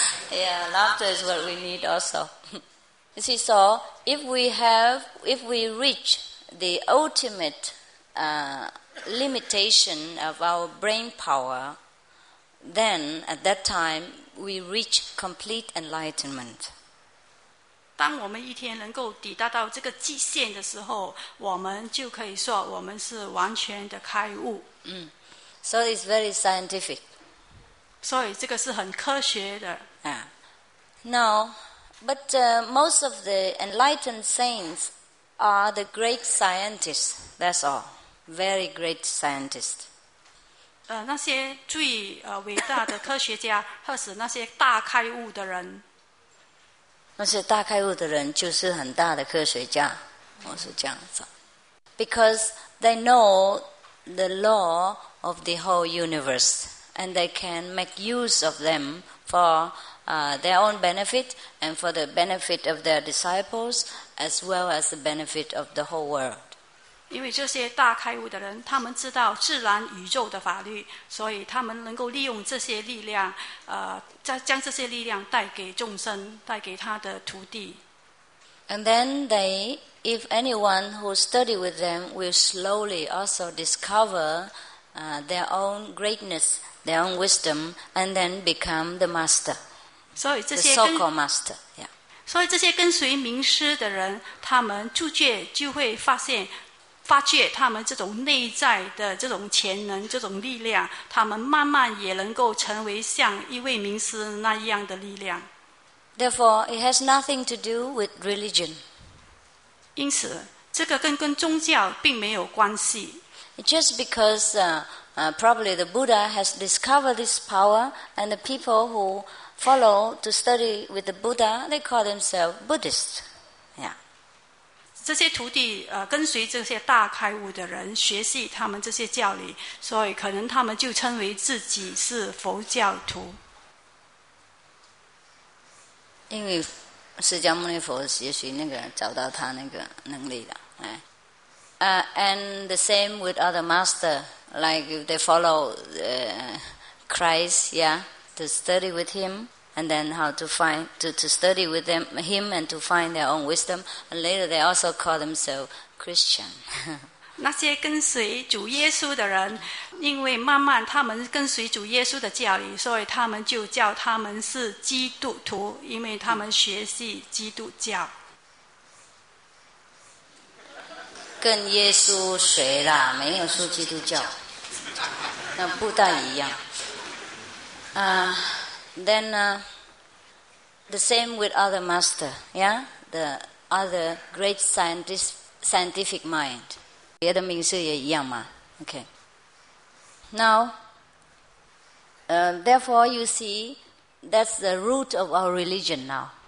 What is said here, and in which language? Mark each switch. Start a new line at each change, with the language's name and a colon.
English: Yeah, laughter is what we need also. You see, so if we reach the ultimate limitation of our brain power. Then, at that time, we reach complete enlightenment.
Chinese: 当我们一天能够抵达到这个极限的时候，我们就可以说我们是完全的开悟。
English: So it's very scientific.
Chinese: 所以这个是很科学的。
English: Now, but most of the enlightened saints are the great scientists, that's all. Very great scientists.
Chinese: 那些最伟大的科学家或是那些大开悟的人，那些大开悟的人就是很大的科学家，我是这样子。
English: Because they know the law of the whole universe and they can make use of them for their own benefit and for the benefit of their disciples as well as the benefit of the whole world.
Chinese: 因为这些大开悟的人，他们知道自然宇宙的法律，所以他们能够利用这些力量，将这些力量带给众生，带给他的徒弟。
English: And then they, if anyone who study with them, will slowly also discover their own greatness, their own wisdom, and then become the master. So, the so-called master.
Chinese: 所以这些跟随名师的人，他们逐渐就会发现，发觉他们这种内在的这种潜能、这种力量，他们慢慢也能够成为像一位名师那样的力量。
English: Therefore, it has nothing to do with religion.
Chinese: 因此，这个跟宗教并没有关系。
English: Just because probably the Buddha has discovered this power, and the people who follow to study with the Buddha, they call themselves Buddhists. Yeah.
Chinese: 这些徒弟跟随这些大开悟的人学习他们这些教理，所以可能他们就称为自己是佛教徒。因为释迦牟尼佛也许那个找到他那个能力了，哎。
English: And the same with other master, like if they follow Christ, yeah, to study with him, and then how to find, to study with them, him and to find their own wisdom, and later they also call themselves Christian.
Chinese: 那些跟随主耶稣的人，因为慢慢他们跟随主耶稣的教理，所以他们就叫他们是基督徒，因为他们学习基督教。跟耶稣谁啦？没有说基督教，那不大一样。
English: The same with other master, yeah, the other great scientific mind.
Chinese: 别的名师也一样嘛 ？Okay.
English: Now, therefore, you see, that's the root of our religion now.